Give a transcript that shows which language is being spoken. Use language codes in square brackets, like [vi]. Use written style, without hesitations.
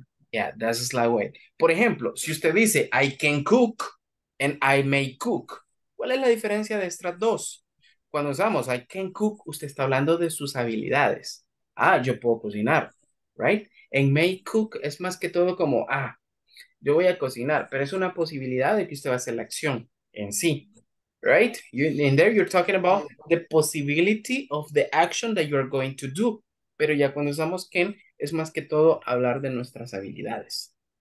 [en] Yeah, that's the way. [es] Por ejemplo, si usted dice, [en] I can cook and I may cook, [es] ¿cuál es la diferencia de estas dos? Cuando usamos [en] I can cook, [es] usted está hablando de sus habilidades. Ah, yo puedo cocinar, right? En may cook es más que todo como, yo voy a cocinar, pero es una posibilidad de que usted va a hacer la acción en sí, right? [en] In there you're talking about the possibility of the action that you're going to do. [es] Pero ya cuando usamos can, es más que todo hablar de nuestras habilidades.